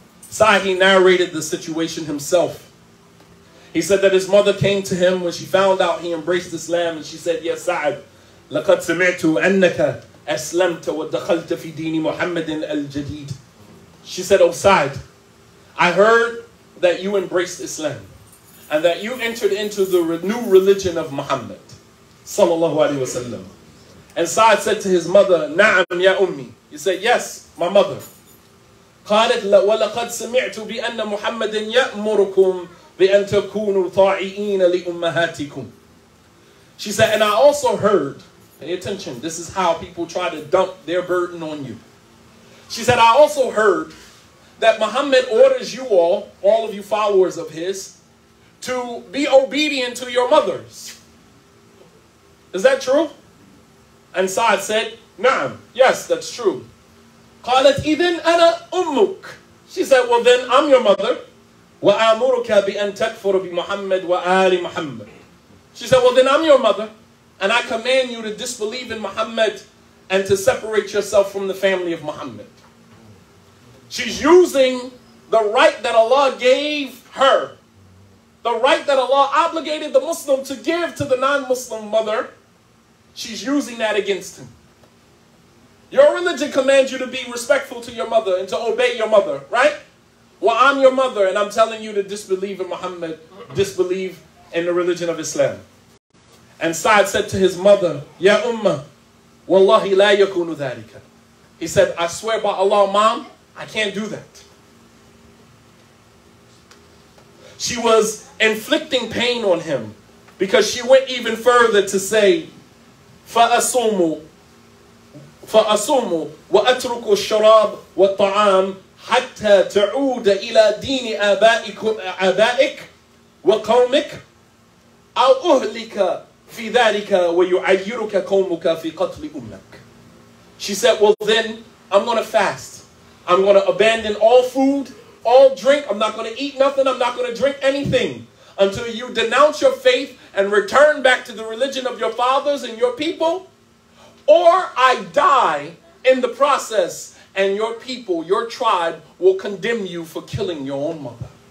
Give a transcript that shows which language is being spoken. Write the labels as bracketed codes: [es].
[en] Sa'd, he narrated the situation himself. He said that his mother came to him when she found out he embraced Islam, and she said, "Yes, Sa'd, [ar] لَقَدْ سَمِعْتُ أَنَّكَ أَسْلَمْتَ وَدَّخَلْتَ فِي دِينِ مُحَمَّدٍ الْجَدِيدِ." [en] She said, "Oh, Sa'd, I heard that you embraced Islam. And that you entered into the new religion of Muhammad, sallallahu alaihi wasallam. And Sa'd said to his mother, [ar] Na'am ya ummi. [en] He said, yes, my mother. [ar] قالت ولقد سمعت بأن محمد يأمركم بأن تكونوا طائعين لأمهاتكم. [en] She said, and I also heard, pay attention, this is how people try to dump their burden on you. She said, I also heard that Muhammad orders you all of you followers of his, to be obedient to your mothers. Is that true? And Sa'd said, Na'am, yes, that's true. [ar] قالت إذن أنا أمك. [en] She said, well then, I'm your mother. [ar] وأمرك بأن تكفر بمحمد وآل محمد. [en] She said, well then, I'm your mother. And I command you to disbelieve in Muhammad and to separate yourself from the family of Muhammad. She's using the right that Allah gave her, the right that Allah obligated the Muslim to give to the non-Muslim mother, she's using that against him. Your religion commands you to be respectful to your mother and to obey your mother, right? Well, I'm your mother and I'm telling you to disbelieve in Muhammad, disbelieve in the religion of Islam. And Sa'd said to his mother, [ar] Ya Ummah, Wallahi la yakunu dhalika. [en] He said, I swear by Allah, Mom, I can't do that. She was inflicting pain on him because she went even further to say, [ar] فَأَصُومُ وَأَتْرُكُ الشَّرَابَ وَالطَّعَامَ حَتَّى تَعُودَ إِلَى دِينِ آبَائِكَ وَقَوْمِكَ أَوْ أُهْلِكَ فِي ذَلِكَ وَيُعَيِّرُكَ قَوْمُكَ فِي قَتْلِ أُمَّكَ. [en] She said, well then, I'm going to fast. I'm going to abandon all food, all drink. I'm not going to eat nothing. I'm not going to drink anything until you denounce your faith and return back to the religion of your fathers and your people. Or I die in the process and your people, your tribe, will condemn you for killing your own mother.